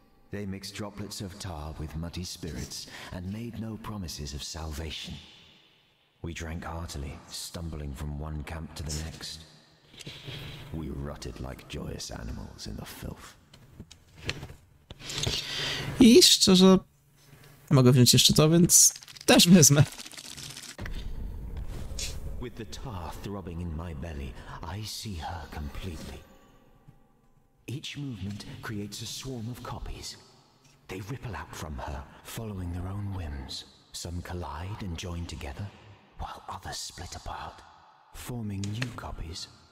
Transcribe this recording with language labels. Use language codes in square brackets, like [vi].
[en] They mixed droplets of tar with muddy spirits and made no promises of salvation. We drank heartily, stumbling from one camp to the next. We rotted like joyous animals in the filth. [pl] I szczerze, mogę wziąć jeszcze to, więc też wezmę. [en] With the tar throbbing in my belly, I see her completely. Each movement creates a swarm of copies. They ripple out from her, following their own whims. Some collide and join together, while others split apart, forming new copies.